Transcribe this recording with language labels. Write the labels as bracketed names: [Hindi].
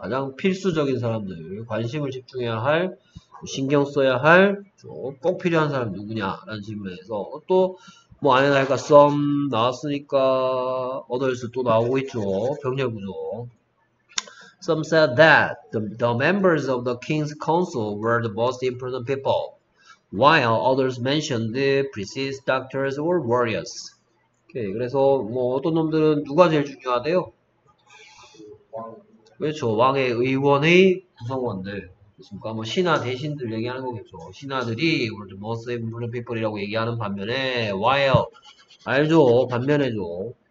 [Korean] 가장 필수적인 사람들, 관심을 집중해야 할, 신경 써야 할, 꼭 필요한 사람 누구냐라는 질문에서 또뭐 안에 나니까 some 나왔으니까 others 또 나오고 있죠. 병렬 구조. [English] Some said that the members of the king's council were the most important people, while others mentioned the priests, doctors, or warriors. [Korean] 오케이, 그래서 뭐 어떤 놈들은 누가 제일 중요하대요? 그렇죠. 왕의 의원의 구성원들. 그러니까 뭐 신하 대신들 얘기하는 거겠죠. 신하들이 우리 [English] most important people [Korean] 이라고 얘기하는 반면에 while 알죠? 반면에 줘.